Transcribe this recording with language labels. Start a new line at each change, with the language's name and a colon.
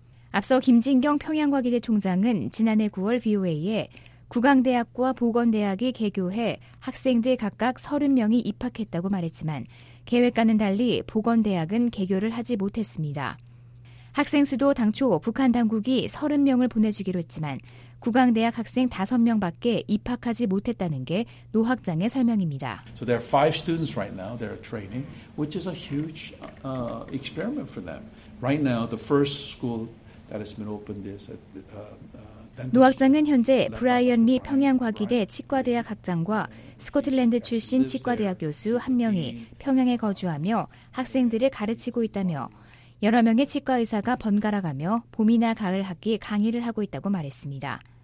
Korean: 앞서 김진경 평양과기대 총장은 지난해 9월 VOA에 국악대학과 보건대학이 개교해 학생들 각각 30명이 입학했다고 말했지만 계획과는 달리 보건대학은 개교를 하지 못했습니다. 학생 수도 당초 북한 당국이 30명을 보내주기로 했지만 국악대학 학생 5명밖에 입학하지 못했다는 게 노 학장의 설명입니다.
English: So there are five students right now that are training, which is a huge experiment for them. Right now, the first school that has been opened is at.
Korean: 노 학장은 현재 브라이언 리 평양과기대 치과대학 학장과 스코틀랜드 출신 치과대학 교수 한 명이 평양에 거주하며 학생들을 가르치고 있다며. 여러 명의 치과의사가 번갈아가며 봄이나 가을 학기 강의를 하고 있다고 말했습니다.